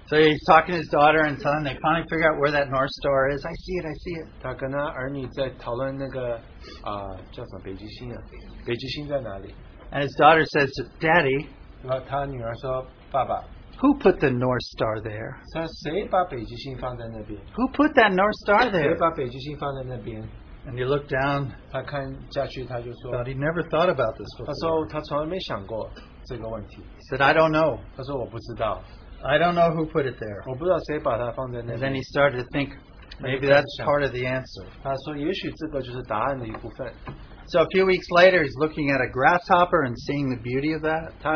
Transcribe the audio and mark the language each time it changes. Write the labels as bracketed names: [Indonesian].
[English] so he's talking to his daughter and son, they finally figure out where that North Star is. I see it, I see it. [Chinese] 他跟他儿女在讨论那个叫什么北极星啊，北极星在哪里？ [English] And his daughter says, Daddy, [Chinese] 然后他女儿说, Baba, [English] who put the North Star there? [Chinese] 说谁把北极星放在那边? [English] Who put that North Star there? [Chinese] 谁把北极星放在那边? [English] And you look down, [Chinese] 他看下去, 他就说, [English] but he never thought about this before. [Chinese] 他说他从来没想过这个问题。 [English] He said, I don't know. [Chinese] 他说我不知道。 [English] I don't know who put it there. [Chinese] 我不知道谁把它放在那边。 [English] And then he started to think, maybe that's part of the answer. [Chinese] 他说也许这个就是答案的一部分。 [English] So a few weeks later, he's looking at a grasshopper and seeing the beauty of that.